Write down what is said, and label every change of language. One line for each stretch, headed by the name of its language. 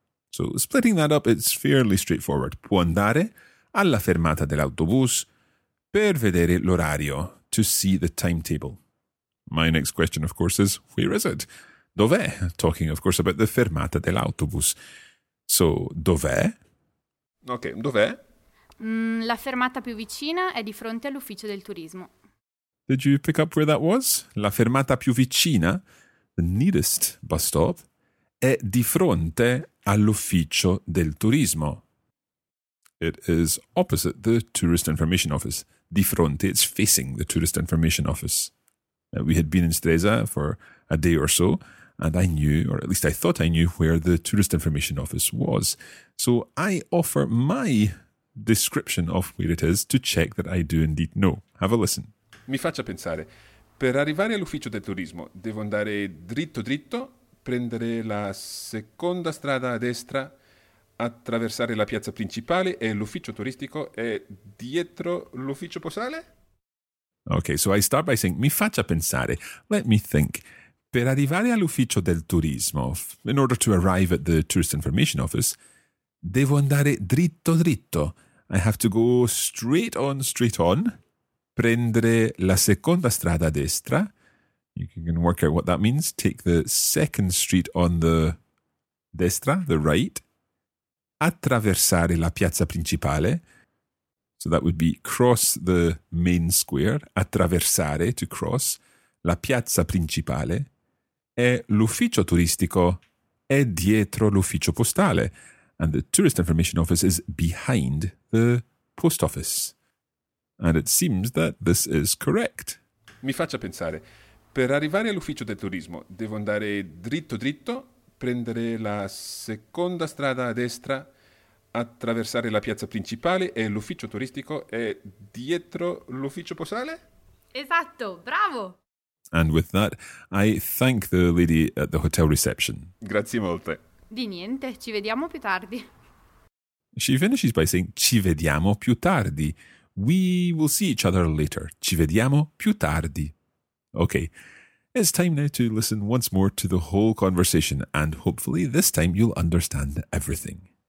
English: So, splitting that up, it's fairly straightforward.
Italian: Può andare alla fermata dell'autobus per vedere l'orario,
English: to see the timetable. My next question, of course, is, where is it?
Italian: Dov'è?
English: Talking, of course, about the fermata dell'autobus. So,
Italian: dov'è? Ok, dov'è? La fermata più vicina è di fronte all'ufficio del turismo.
English: Did you pick up where that was?
Italian: La fermata più vicina,
English: the nearest bus stop,
Italian: è di fronte all'ufficio del turismo.
English: It is opposite the tourist information office.
Italian: Di fronte,
English: it's facing the tourist information office. We had been in Stresa for a day or so, and I knew, or at least I thought I knew, where the tourist information office was. So I offer my description of where it is to check that I do indeed know. Have a listen.
Italian: Mi faccia pensare. Per arrivare all'ufficio del turismo, devo andare dritto dritto, prendere la seconda strada a destra, attraversare la piazza principale e l'ufficio turistico è dietro l'ufficio postale?
English: Okay, so I start by saying,
Italian: mi faccia pensare,
English: let me think.
Italian: Per arrivare all'ufficio del turismo,
English: in order to arrive at the tourist information office,
Italian: devo andare dritto dritto.
English: I have to go straight on, straight on.
Italian: Prendere la seconda strada a destra.
English: You can work out what that means. Take the second street on the destra, the right.
Italian: Attraversare la piazza principale.
English: So that would be cross the main square.
Italian: Attraversare,
English: to cross,
Italian: la piazza principale. E l'ufficio turistico è dietro l'ufficio postale.
English: And the tourist information office is behind the post office. And it seems that this is correct.
Italian: Mi faccia pensare. Per arrivare all'ufficio del turismo, devo andare dritto dritto, prendere la seconda strada a destra, attraversare la piazza principale e l'ufficio turistico è dietro l'ufficio postale? Esatto, bravo!
English: And with that, I thank the lady at the hotel reception.
Italian: Grazie molte. Di niente, ci vediamo più tardi.
English: She finishes by saying,
Italian: ci vediamo più tardi.
English: We will see each other later.
Italian: Ci vediamo più tardi.
English: Okay, it's time now to listen once more to the whole conversation and hopefully this time you'll understand everything.